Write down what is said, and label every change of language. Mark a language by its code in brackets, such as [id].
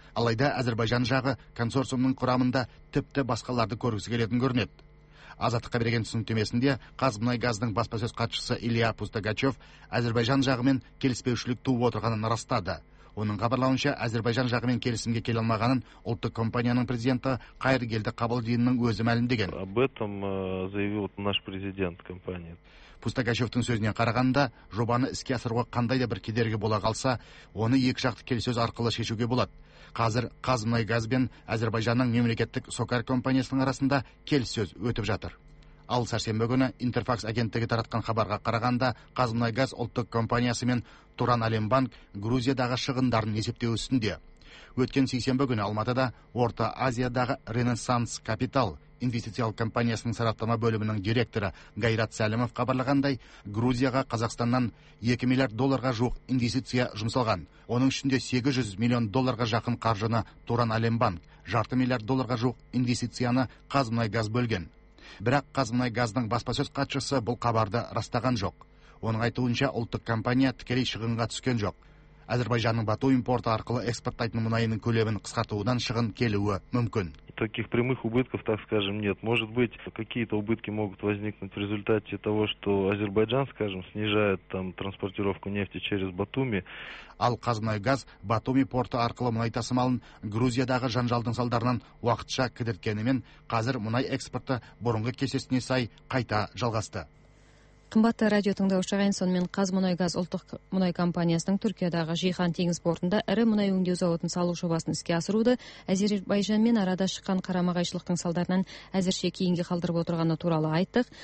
[kk] Алайда Әзербайжан жағы консорциумның құрамында тіпті басқаларды көргісі келетін көрінеді. Азаттыққа берген түсініктемесінде Қазмұнайгаздың баспасөз хатшысы Илья Пустагачев Әзербайжан жағымен келіспеушілік туып отырғанын растады. Оның хабарлауынша, Әзербайжан жағымен келісімге келе алмағанын ұлттық компанияның президенті Қайыргелді Қабылдинның өзі мәлімдеген. [ru] Об этом заявил наш президент компании. [kk] Пустагачевтің сөзіне қарағанда, жобаны іске асыруға қандай да бір кедергі бола қалса, оны екіжақты келіссөз арқылы шешуге болады. Қазір Қазмұнайгаз бен Әзербайжанның мемлекеттік Сокар компаниясының арасында келіссөз өтіп жатыр. Ал сәрсенбі күні Интерфакс агенттігі таратқан хабарға қарағанда, Қазмұнайгаз ұлттық компаниясы мен Туран Алембанк Грузиядағы шығындарын есептеу үстінде. Өткен сейсенбі күні Алматыда Орта Азиядағы Ренессанс Капитал инвестициялық компаниясының сараптама бөлімінің директоры Гайрат Сәлімов хабарлағандай, Грузияға Қазақстаннан 2 миллиард долларға жуық инвестиция жұмсалған. Оның ішінде 800 миллион долларға жақын қаржыны Туран Алембанк, 1.5 миллиард долларға жуық инвестицияны Қазмұнайгаз бөлген. Бірақ Қазмұнайгаздың баспасөз хатшысы бұл хабарды растаған жоқ. Оның айтуынша ұлттық компания тікелей шығынға түскен жоқ. Әзербайжанның Бату импорты арқылы экспорттайтын мұнайының көлемін қысқартуынан шығын келуі мүмкін. [ru] Таких прямых убытков, так скажем, нет. Может быть, какие-то убытки могут возникнуть в результате того, что Азербайджан, скажем, снижает там транспортировку нефти через Батуми. [kk] Ал Қазмұнайгаз Батуми порты арқылы мұнай тасымалын Грузиядағы жанжалдың салдарынан уақытша кідірткенімен, қазір мұнай экспорты бұрынғы кесесіне сай қайта жалғасты. Қымбатты радио тыңдаушылар, сонымен Қазмұнайгаз ұлттық мұнай компаниясының Түркиядағы Жейхан теңіз портында ірі мұнай өңдеу зауытын салу жобасын іске асыруды Әзербайжанмен арада шыққан қарама-қайшылықтың салдарынан әзірше кейінге қалдырып отырғаны туралы айттық.